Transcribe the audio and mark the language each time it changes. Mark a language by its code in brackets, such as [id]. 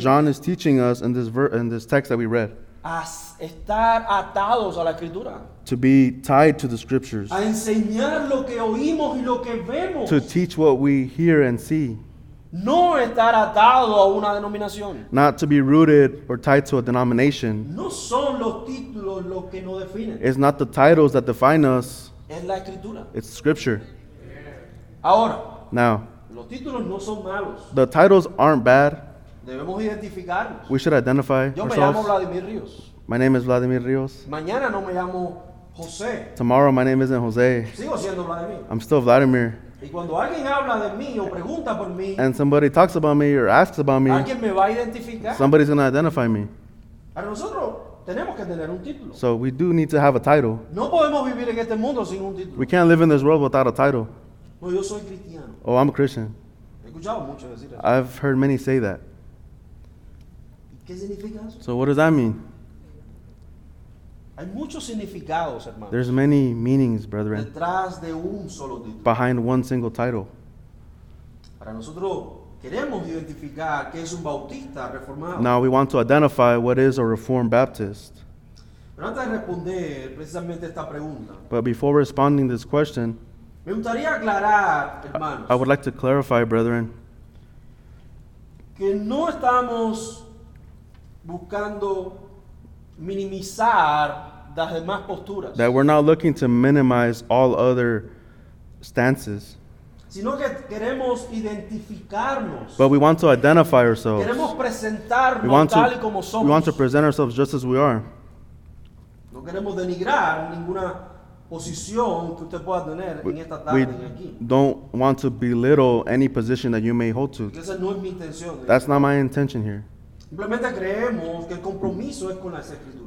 [en] John is teaching us in this in this text that we read. [es] A estar atados a la escritura. [en] To be tied to the scriptures. [es] A enseñar lo que oímos y lo que vemos. [en] To teach what we hear and see. [es] No estar atado a una denominación. [en] Not to be rooted or tied to a denomination. [es] No son los títulos lo que nos definen. [en] It's not the titles that define us. [es] Es la escritura. [en] It's scripture. [es] Ahora. [en] Now. [es] Los títulos no son malos. [en] The titles aren't bad. [es] Debemos identificarnos. [en] We should identify [es] Yo [en] ourselves. [es] Me llamo Vladimir Ríos. [en] My name is Vladimir Ríos. [es] Mañana no me llamo José. [en] Tomorrow my name isn't José. [es] Sigo siendo Vladimir. [en] I'm still Vladimir. [es] Y cuando alguien habla de mí o pregunta por mí, [en] and somebody talks about me or asks about me, [es] alguien me va a identificar. [en] Somebody's going to identify me. [es] A nosotros tenemos que tener un título. [en] So we do need to have a title. [es] No podemos vivir en este mundo sin un título. [en] We can't live in this world without a title. [es] No, yo soy cristiano. [en] Oh, I'm a Christian. [es] He escuchado mucho decir eso. [en] I've heard many say that. So what does that mean? [es] Hay muchos significados, hermanos. [en] There's many meanings, brethren. [es] Detrás de un solo título. [en] Behind one single title. [es] Para nosotros queremos identificar qué es un bautista reformado. [en] Now we want to identify what is a Reformed Baptist. [es] Pero antes de responder precisamente esta pregunta. [en] But before responding this question. [es] Me gustaría aclarar, hermanos. [en] I would like to clarify, brethren. [es] Que no estamos buscando minimizar las demás posturas. [en] That we're not looking to minimize all other stances. [es] Sino que queremos identificarnos. [en] But we want to identify ourselves. [es] Queremos presentarnos tal y como somos. [en] We want to present ourselves just as we are. [es] No queremos denigrar ninguna posición que usted pueda tener en esta tarde [en] we [es] en aquí. [en] We don't want to belittle any position that you may hold to. [es] Esa no es mi intención. [en] That's not my intention here. [es] Simplemente creemos que el compromiso es con las escrituras.